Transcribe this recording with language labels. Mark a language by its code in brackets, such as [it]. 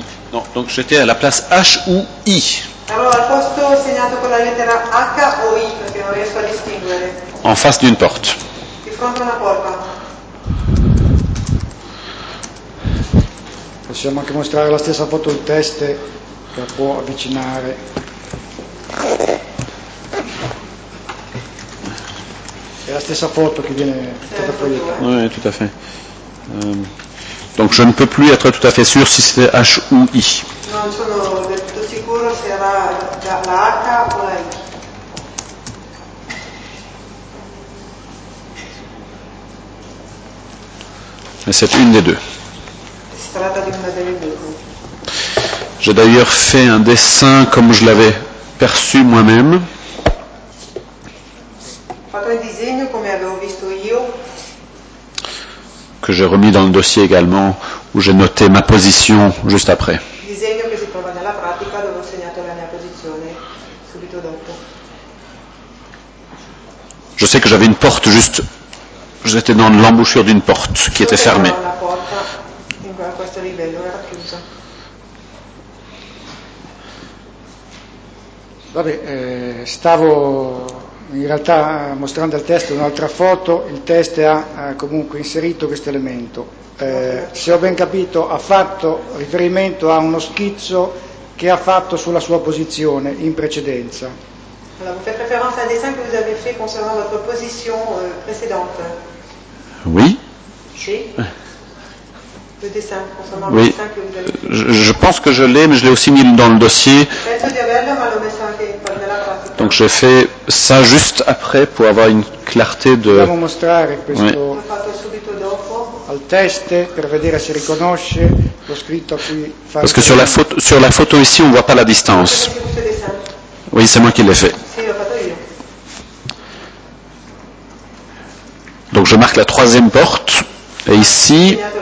[fr] Non, donc j'étais à la place H ou I. [it] Alors, al posto segnato con la lettera H o I, perché non riesco a distinguere. [fr] En face d'une porte. [it] Di fronte a una porta. Possiamo anche mostrare la stessa foto in teste che può avvicinare. È la stessa foto che viene stata proiettata. [fr] Oui, tout à fait. Donc je ne peux plus être tout à fait sûr si c'était H ou I. [it] Non, sono del tutto sicuro se era la H o la I. [fr] Mais c'est une des deux. [it] Si tratta di una delle due. [fr] J'ai d'ailleurs fait un dessin comme je l'avais perçu moi-même. [it] Ho fatto il disegno come avevo visto io. [fr] Que j'ai remis dans le dossier également, où j'ai noté ma position juste après. [it] Disegno che si trova nella pratica dove ho segnato la mia posizione subito dopo. [fr] Je sais que j'avais une porte juste, j'étais dans l'embouchure d'une porte qui était fermée. [it] La porta in questo livello era chiusa. Vabbè, stavo in realtà mostrando al testo un'altra foto, il testo ha comunque inserito questo elemento. Se ho ben capito, ha fatto riferimento a uno schizzo che ha fatto sulla sua posizione in precedenza. [fr] Allora, vous faites référence à un dessin que vous avez fait concernant votre position précédente. Oui. Sì. Le dessin concernant oui. Le dessin que vous avez fait. Je pense que je l'ai, mais je l'ai aussi mis dans le dossier. [it] Penso di averlo, ma l'ho messo anche. [fr] Donc j'ai fait ça juste après pour avoir une clarté de... [it] Possiamo mostrare questo l'ho fatto subito dopo al teste per vedere se riconosce lo scritto a cui fa... [fr] Parce que sur la photo ici on voit pas la distance. Oui, c'est moi qui l'ai fait. [it] Sì, l'ho fatto io. [fr] Donc je marque la troisième porte et ici...